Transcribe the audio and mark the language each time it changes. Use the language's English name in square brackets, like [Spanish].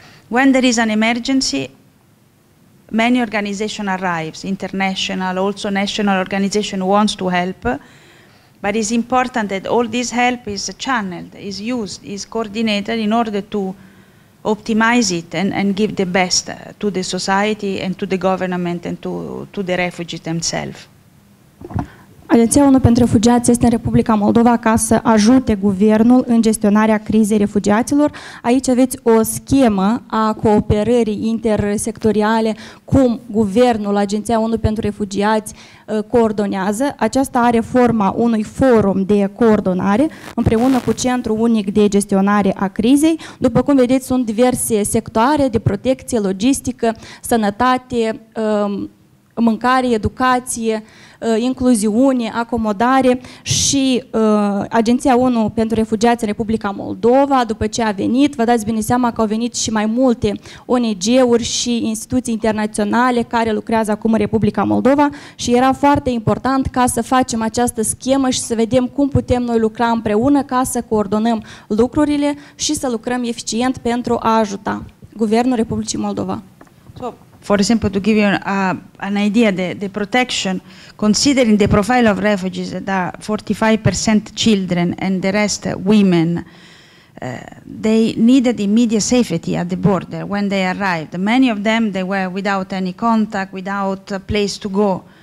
[English] When there is an emergency, many organizations arrive, international, also national organizations wants to help. But it's important that all this help is channeled, is used, is coordinated in order to optimize it and give the best to the society and to the government and to the refugees themselves. [Romanian] Agenția ONU pentru refugiați este în Republica Moldova ca să ajute guvernul în gestionarea crizei refugiaților. Aici aveți o schemă a cooperării intersectoriale, cum guvernul, Agenția ONU pentru refugiați, coordonează. Aceasta are forma unui forum de coordonare împreună cu Centrul Unic de Gestionare a Crizei. După cum vedeți, sunt diverse sectoare de protecție, logistică, sănătate, mâncare, educație, incluziune, acomodare și Agenția ONU pentru Refugiați în Republica Moldova, după ce a venit, vă dați bine seama că au venit și mai multe ONG-uri și instituții internaționale care lucrează acum în Republica Moldova și era foarte important ca să facem această schemă și să vedem cum putem noi lucra împreună ca să coordonăm lucrurile și să lucrăm eficient pentru a ajuta Guvernul Republicii Moldova. Top. [English] For example, to give you an idea, the protection, considering the profile of refugees that are 45% children and the rest women, they needed immediate safety at the border when they arrived. Many of them, they were without any contact, without a place to go.